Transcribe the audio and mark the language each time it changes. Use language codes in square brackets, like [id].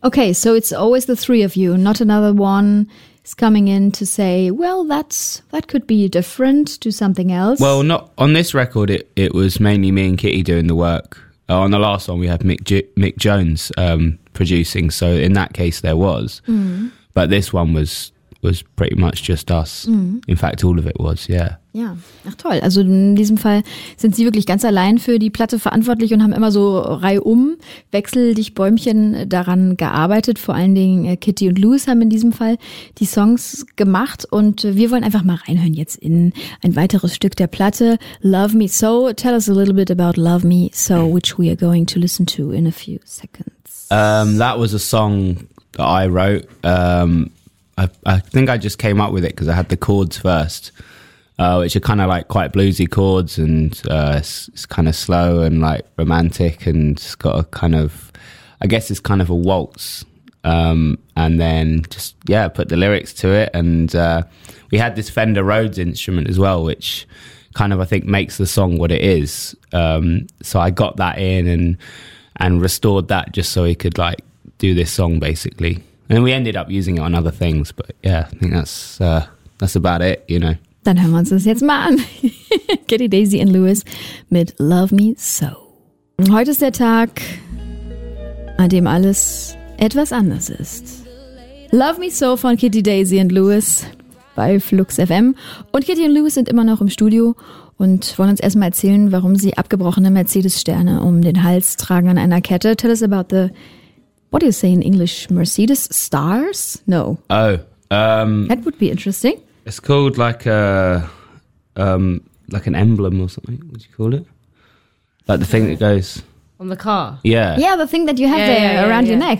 [en] Okay, so it's always the three of you, not another one is coming in to say, well, that could be different, do something else. Well, not on this record, it was mainly me and Kitty doing the work. On the last one, we had Mick Jones producing, so in that case there was. Mm. But this one was pretty much just us. Mm. In fact, all of it was, yeah. [de] Ja, ach toll. Also in diesem Fall sind Sie wirklich ganz allein für die Platte verantwortlich und haben immer so reihum, wechselig Bäumchen daran gearbeitet. Vor allen Dingen Kitty und Lewis haben in diesem Fall die Songs gemacht. Und wir wollen einfach mal reinhören jetzt in ein weiteres Stück der Platte. Love Me So. [en] Tell us a little bit about Love Me So, which we are going to listen to in a few seconds. That was a song that I wrote. I think I just came up with it because I had the chords first. Which are kind of like quite bluesy chords, and it's kind of slow and like romantic, and it's got a kind of, I guess it's kind of a waltz. And then just, yeah, put the lyrics to it. And we had this Fender Rhodes instrument as well, which kind of, I think, makes the song what it is. So I got that in and restored that just so we could like do this song, basically. And then we ended up using it on other things. But yeah, I think that's about it, you know. [de] Dann hören wir uns das jetzt mal an. Kitty, Daisy und Lewis mit Love Me So. Heute ist der Tag, an dem alles etwas anders ist. Love Me So von Kitty, Daisy und Lewis bei Flux FM. Und Kitty und Lewis sind immer noch im Studio und wollen uns erstmal erzählen, warum sie abgebrochene Mercedes-Sterne um den Hals tragen an einer Kette. [en] Tell us about the, what do you say in English, Mercedes Stars? No. Oh. That would be interesting. It's called like a like an emblem or something. What do you call it? Like the thing that goes on the car. Yeah. Yeah, the thing that you have around your neck.